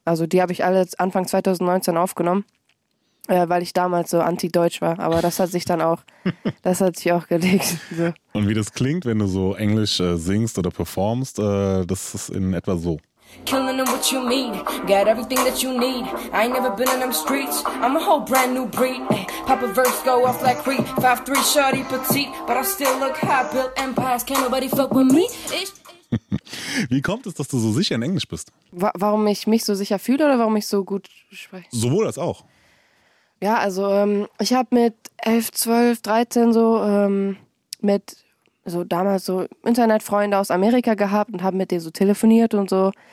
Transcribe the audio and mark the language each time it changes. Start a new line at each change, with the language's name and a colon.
German: Also die habe ich alle Anfang 2019 aufgenommen, weil ich damals so anti-deutsch war. Aber das hat sich dann auch, das hat sich auch gelegt. So. Und wie das klingt, wenn du so Englisch singst oder performst, das ist in etwa so.
English: Killing them what you mean, got everything that you need. I ain't never been in them streets, I'm a whole brand new breed. Pop a verse, go off like Creed, 5'3", shorty, petite. But I still look high, built empires, can't nobody fuck with me.
German: Wie kommt es, dass du so sicher in Englisch bist? Warum ich mich so sicher fühle oder warum ich so gut spreche? Sowohl als auch. Ja, also ich habe mit 11, 12, 13 so mit so damals so Internetfreunde aus Amerika gehabt und habe mit denen so telefoniert und so.